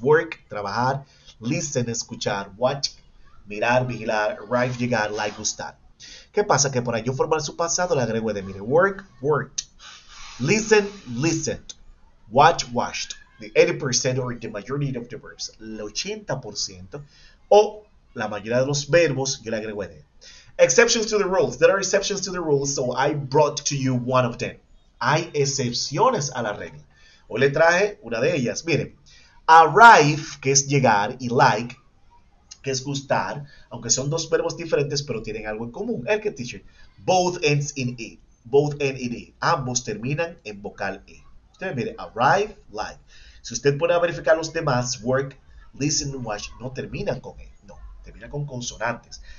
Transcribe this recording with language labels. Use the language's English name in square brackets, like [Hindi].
[Spanish] Work, trabajar, listen, escuchar, watch, mirar, vigilar, arrive, llegar, like, gustar. ¿Qué pasa? Que para yo formar su pasado le agrego de, mire, work, worked. Listen, listened. Watch, watched. [English] The 80% or the majority of the verbs. [Spanish] El 80% o la mayoría de los verbos yo le agrego de. [English] Exceptions to the rules. There are exceptions to the rules, so I brought to you one of them. [Spanish] Hay excepciones a la regla. Hoy le traje una de ellas. Miren, arrive, que es llegar, y like, que es gustar, aunque son dos verbos diferentes, pero tienen algo en común. El que [English] teacher, both ends in E, both end in E, [Spanish] ambos terminan en vocal E. Usted mire, arrive, like. Si usted pone a verificar los demás, work, listen, watch, no terminan con E, no, terminan con consonantes.